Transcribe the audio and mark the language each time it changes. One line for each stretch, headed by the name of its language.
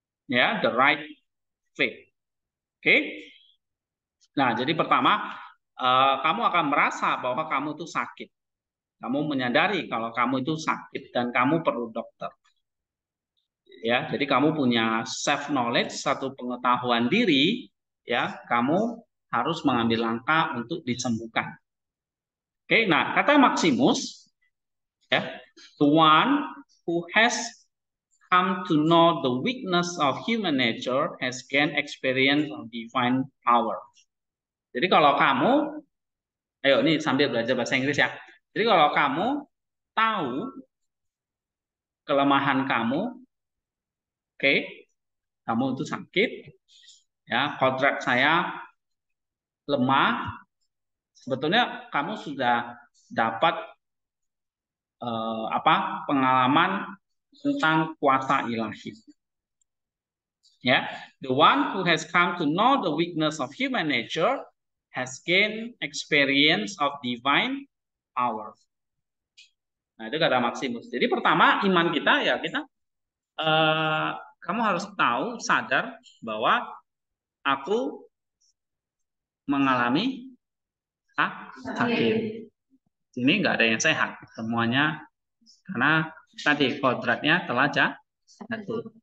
Indonesian: Ya,
English: the right faith.
Indonesian: Oke. Nah, jadi pertama kamu akan merasa bahwa kamu itu sakit. Kamu menyadari kalau kamu itu sakit dan kamu perlu dokter. Ya, jadi kamu punya self knowledge, satu pengetahuan diri, ya, kamu harus mengambil langkah untuk disembuhkan. Oke, okay, nah, kata Maximus, ya,
English: the one who has come to know the weakness of human nature has gained experience of divine power.
Indonesian: Jadi kalau kamu, ayo nih sambil belajar bahasa Inggris ya. Jadi kalau kamu tahu kelemahan kamu, oke, okay, kamu itu sakit, ya, kodrat saya lemah. Sebetulnya kamu sudah dapat apa pengalaman tentang kuasa ilahi.
English: Ya, the one who has come to know the weakness of human nature has gained experience of divine power.
Indonesian: Nah, itu kata Maximus. Jadi pertama iman kita ya kita kamu harus tahu sadar bahwa aku mengalami sakit. Ini nggak ada yang sehat semuanya karena tadi kodratnya telah jatuh.